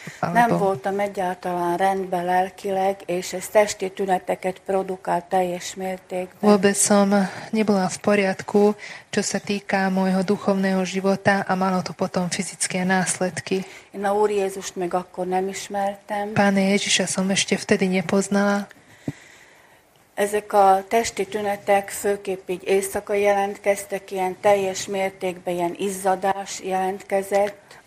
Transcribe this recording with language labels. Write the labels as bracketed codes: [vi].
[hu] Nem voltam egyáltalán rendben lelkileg, és ez testi tüneteket produkál teljes mértékben. [sk] Vôbec som nebola v poriadku, čo sa týká môjho duchovného života, a malo to potom fyzické následky. [hu] Én a Úr Jézust még akkor nem ismertem. [sk] Páne Ježiša som ešte vtedy nepoznala. [hu] Ezek a testi tünetek főképp így éjszaka jelentkeztek, ilyen teljes mértékben ilyen izzadás jelentkezett.